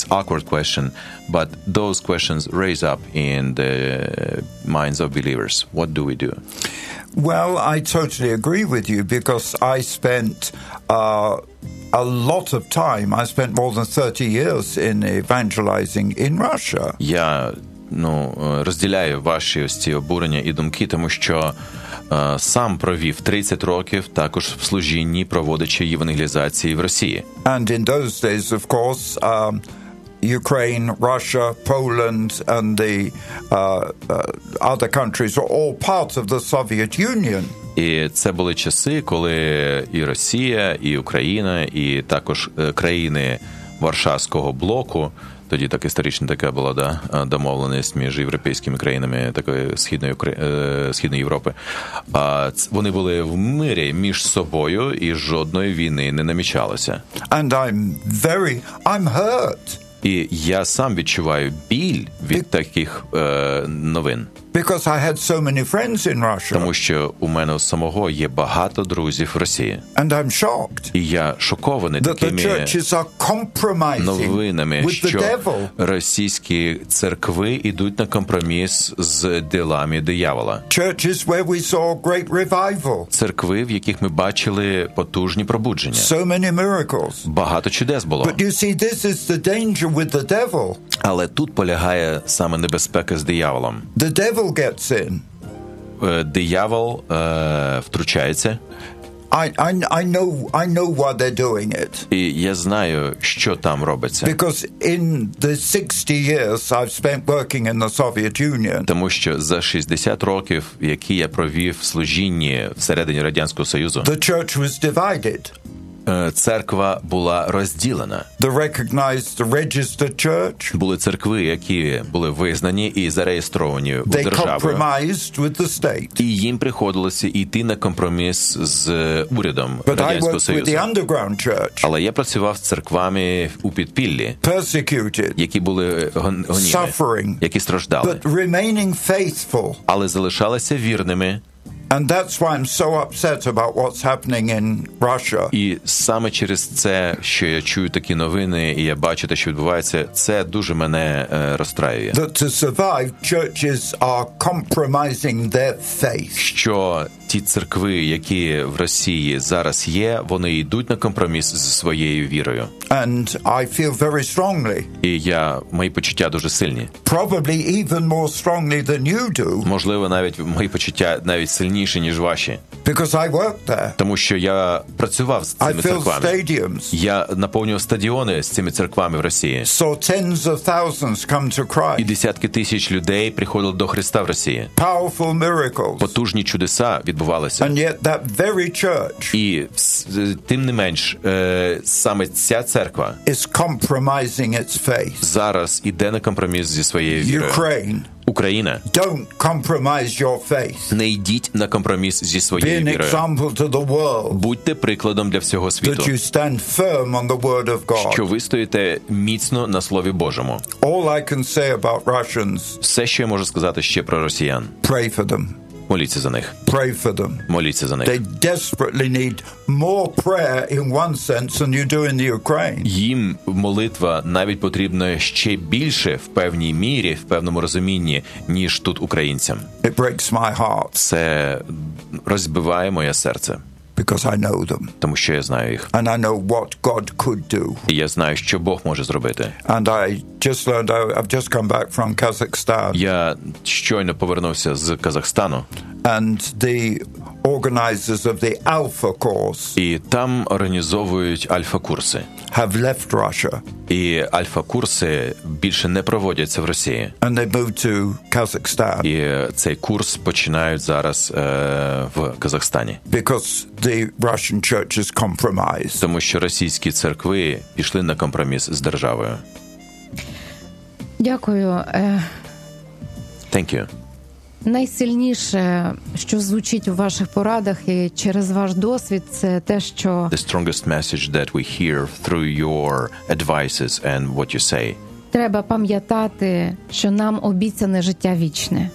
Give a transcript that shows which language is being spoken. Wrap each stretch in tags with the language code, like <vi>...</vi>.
<en>It's awkward question, but those questions raise up in the minds of believers. What do we do? Well, I totally agree with you, because I spent a lot of time. I spent more than 30 years in evangelizing in Russia.</en> <uk>Я, ну, розділяю ваші ці обурення і думки, тому що сам провів 30 років також в служінні, проводячи євангелізації в Росії.</uk> <en>And in those days, of course, Ukraine, Russia, Poland, and the other countries were all part of the Soviet Union.</en> <uk>І це були часи, коли і Росія, і Україна, і також країни Варшавського блоку, тоді так історично така була, да, домовленість між європейськими країнами такої східної східної Європи. А вони були в мирі між собою і жодної війни не намічалося.</uk> <en>And I'm hurt.</en> <uk>І я сам відчуваю біль від таких новин.</uk> <en>Because I had so many friends in Russia.</en> <uk>Тому що у мене самого є багато друзів в Росії.</uk> <en>And I'm shocked.</en> <uk>І я шокований такими новинами, що російські церкви йдуть на компроміс з ділами диявола.</uk> <en>Churches where we saw great revival.</en> <uk>Церкви, в яких ми бачили потужні пробудження.</uk> <en>So many miracles.</en> <uk>Багато чудес було.</uk> <en>But you see, this is the danger with the devil.</en> <uk>Але тут полягає саме небезпека з дияволом.</uk> <en>The devil gets in.</en> <uk>Диявол втручається.</uk> <en>I know why they're doing it.</en> <uk>І я знаю, що там робиться.</uk> <en>Because in the 60 years I've spent working in the Soviet Union.</en> <uk>Тому що за 60 років, які я провів в служінні всередині Радянського Союзу,</uk> <en>the church was divided.</en> <uk>Церква була розділена.</uk> <en>The recognized registered church.</en> <uk>Були церкви, які були визнані і зареєстровані в державі.</uk> <en>They compromised with the state.</en> <uk>І їм приходилося йти на компроміс з урядом Радянського Союзу.</uk> <en>But I worked with the underground church.</en> <uk>Але я працював з церквами у підпіллі.</uk> <en>Persecuted.</en> <uk>Які були гонімі.</uk> <en>Suffering.</en> <uk>Які страждали.</uk> <en>But remaining faithful.</en> <uk>Але залишалися вірними.</uk> <en>And that's why I'm so upset about what's happening in Russia.</en> <uk>І саме через це, що я чую такі новини і я бачу те, що відбувається, це дуже мене розстраює.</uk> <en>That to survive, churches are compromising their faith.</en> <uk>Що ті церкви, які в Росії зараз є, вони йдуть на компроміс зі своєю вірою.</uk> <en>And I feel very strongly.</en> <uk>І я, мої почуття дуже сильні.</uk> <en>Probably even more strongly than you do.</en> <uk>Можливо, навіть мої почуття навіть сильніші, ніж ваші.</uk> <en>Because I worked there.</en> <uk>Тому що я працював з цими церквами.</uk> <en>Stadiums.</en> <uk>Я наповнював стадіони з цими церквами в Росії.</uk> <en>So tens of thousands come to Christ.</en> <uk>І десятки тисяч людей приходили до Христа в Росії.</uk> <en>Powerful miracles.</en> <uk>Потужні чудеса відбувалися. відбувалося.</uk> <en>And yet that very church.</en> <uk>І тим не менш, саме ця церква</uk> <en>is compromising its faith.</en> <uk>Зараз іде на компроміс зі своєю вірою.</uk> <en>Ukraine.</en> <uk>Україна.</uk> <en>Don't compromise your faith.</en> <uk>Не йдіть на компроміс зі своєю вірою.</uk> <en>Be an example to the world.</en> <uk>Будьте прикладом для всього світу.</uk> <en>That you stand firm on the word of God.</en> <uk>Що ви стоїте міцно на слові Божому.</uk> <en>All I can say about Russians.</en> <uk>Все, що я можу сказати ще про росіян.</uk> <en>Pray for them.</en> <uk>Моліться за них.</uk> <en>Pray for them.</en> <uk>Моліться за них.</uk> <en>They desperately need more prayer in one sense than you do in the Ukraine.</en> <uk>Їм молитва навіть потрібна ще більше в певній мірі, в певному розумінні, ніж тут українцям.</uk> <en>It breaks my heart.</en> <uk>Це розбиває моє серце.</uk> <en>Because I know them.</en> <uk>Тому що я знаю їх.</uk> <en>And I know what God could do.</en> <uk>І я знаю, що Бог може зробити.</uk> <en>And I just learned, I've just come back from Kazakhstan.</en> <uk>Я щойно повернувся з Казахстану.</uk> <en>And the organizers of the Alpha course.</en> <uk>І там організовують альфа-курси.</uk> <en>Have left Russia.</en> <uk>І альфа-курси більше не проводяться в Росії.</uk> <en>And they moved to Kazakhstan.</en> <uk>І цей курс починають зараз в Казахстані.</uk> <en>Because the Russian church is compromised.</en> <uk>Тому що російські церкви пішли на компроміс з державою. Дякую.</uk> <en>Thank you.</en> <uk>Найсильніше, що звучить у ваших порадах і через ваш досвід, це те, що</uk> <en>The strongest message that we hear through your advices and what you say.</en> <uk>Треба пам'ятати, що нам обіцяне життя вічне.</uk>